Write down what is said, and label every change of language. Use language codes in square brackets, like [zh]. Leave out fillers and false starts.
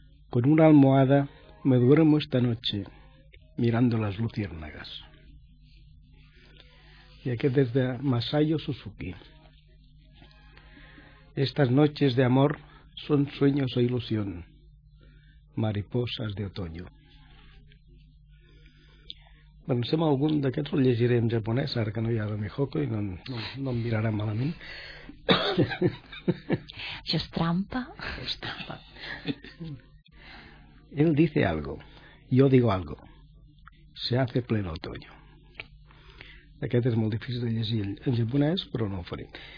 [es] Con una almohada me duermo esta noche mirando las luciérnagas. Y aquí desde Masayo Suzuki. Estas noches de amor son sueños o ilusión, mariposas de otoño. [ca] Bueno, sembla algun d'aquests ho llegiré en japonès, ara que no hi ha Rumihoko i no em mirarà malament. Això és trampa. És trampa. [es] Él dice algo, yo digo algo. Se hace pleno otoño. [ca] Aquest és molt difícil de llegir en japonès, però no ho faré.